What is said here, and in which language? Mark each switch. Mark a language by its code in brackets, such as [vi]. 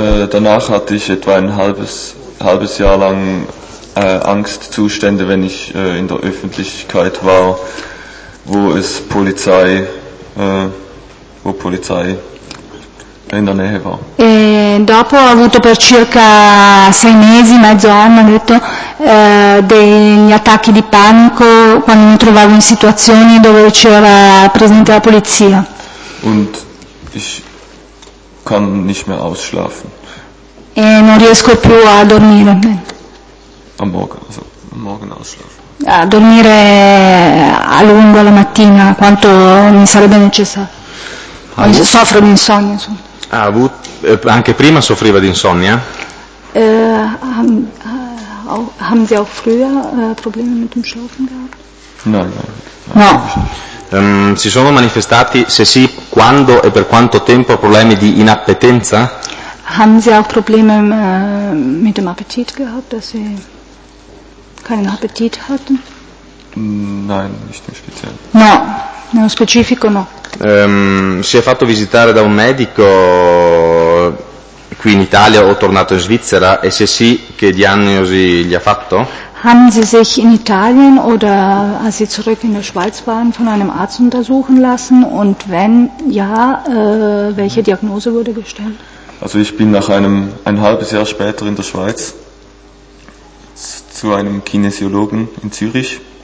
[de] Danach hatte ich etwa ein halbes Jahr lang Angstzustände, wenn ich in der Öffentlichkeit war, wo es Polizei, wo Polizei in der Nähe war. [it] E dopo ho avuto per circa 6 mesi, mezzo anno, ho detto, degli attacchi di panico quando mi trovavo in situazioni dove c'era presente la polizia. [de] Und ich kann nicht mehr ausschlafen. [it] E non riesco più a dormire. [de] Am Morgen ausschlafen. [it] A dormire a lungo la mattina, quanto mi sarebbe necessario. Soffro di insonnia, insomma. Ha avuto, anche prima soffriva di insonnia? [de] Haben Sie auch früher Probleme mit dem Schlafen gehabt? [it] No. Si sono manifestati, se sì, quando e per quanto tempo problemi di inappetenza? [de] Haben Sie auch Probleme mit dem Appetit gehabt, dass Sie keinen Appetit hatten? Nein, nicht im Speziellen. [it] No, nello specifico no. Si è fatto visitare da un medico qui in Italia o tornato in Svizzera e se sì, che diagnosi gli ha fatto? [de] Haben Sie sich in Italien oder als Sie zurück in der Schweiz waren von einem Arzt untersuchen lassen? Und wenn ja, welche Diagnose wurde gestellt? Also ich bin nach ein halbes Jahr später in der Schweiz zu einem Kinesiologen in Zürich.